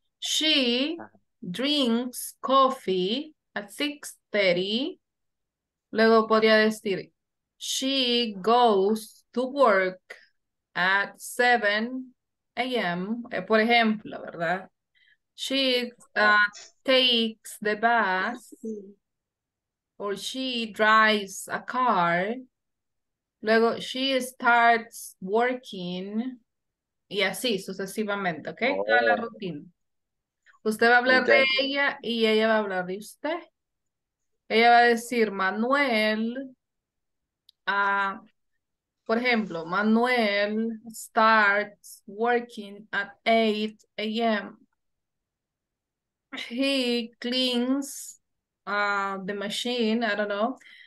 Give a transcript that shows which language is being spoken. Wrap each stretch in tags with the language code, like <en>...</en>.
<en>She drinks coffee at 6:30.</en> <es>Luego podría decir,</es> <en>she goes to work at 7 a.m.,</en> <es>por ejemplo, ¿verdad?</es> <en>She takes the bus, or she drives a car.</en> <es>Luego,</es> <en>she starts working,</en> <es>y así sucesivamente, ¿ok? Oh. Toda la rutina. Usted va a hablar de ella, y ella va a hablar de usted. Ella va a decir,</es> <en>Manuel,</en> <es>por ejemplo,</es> <en>Manuel starts working at 8 a.m., he cleans the machine, I don't know.</en>